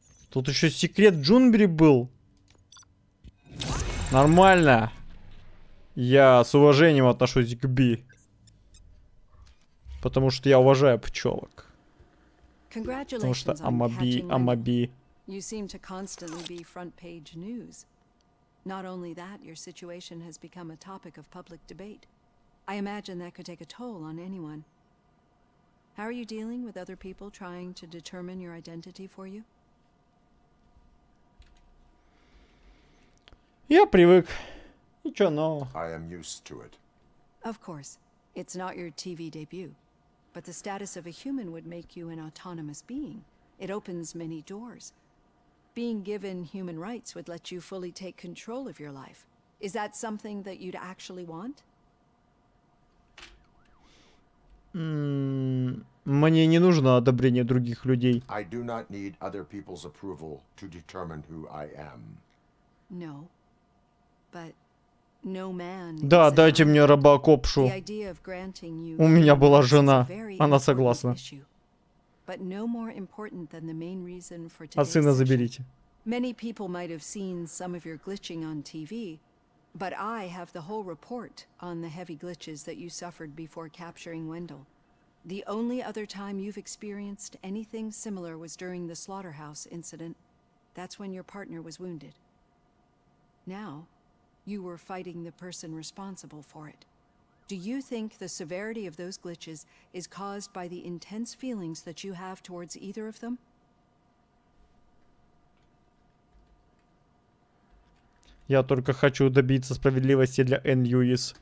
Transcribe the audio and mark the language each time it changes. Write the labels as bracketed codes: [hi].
[ru] Тут еще секрет Джунбери был. Нормально. Я с уважением отношусь к Би. Потому что я уважаю пчелок. Потому что Амаби, Амаби. [en] You seem to constantly be front page news. Not only that, your situation has become a topic of public debate. I imagine that could take a toll on anyone. How are you dealing with other people trying to determine your identity for you? [ru] Я привык. Ничего нового. [en] I am used to it. Of course. It's not your TV debut. But the status of a human would make you an autonomous being. It opens many doors. Being given human rights would let you fully take control of your life. Is that something that you'd actually want? [ru] Мне не нужно одобрение других людей. [en] I do not need other people's approval to determine who I am. No. But no man. [ru] Да, дайте мне робокопшу. У меня была жена, она согласна. [en] But no more important than the main reason for today. [ru] А сына заберите. [en] Many people might have seen some of your glitching on TV, but I have the whole report on the heavy glitches that you suffered before capturing Wendell. The only other time you've experienced anything similar was during the slaughterhouse incident. That's when your partner was wounded. Now, you were fighting the person responsible for it. Do you think the severity of those glitches is caused by the intense feelings that you have towards either of them? [ru] Я только хочу добиться справедливости для Энн-Юис.